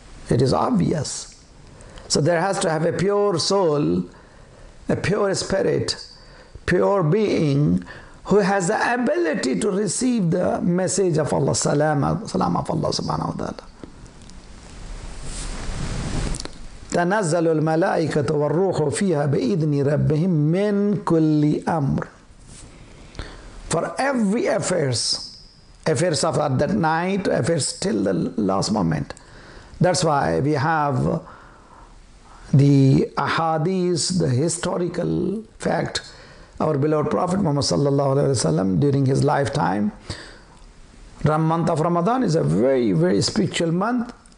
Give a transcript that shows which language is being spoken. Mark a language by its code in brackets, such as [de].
[en] It is obvious. So there has to have a pure soul, a pure spirit, pure being who has the ability to receive the message of Allah, salam of Allah subhanahu wa ta'ala. [ar] تنزل الملائكة والروح فيها بإذن ربهم من كل أمر. [en] For every affairs of that night, affairs till the last moment. That's why we have the ahadith, the historical fact. Our beloved Prophet Muhammad sallallahu alaihi wasallam during his lifetime, month of Ramadan is a very, very spiritual month.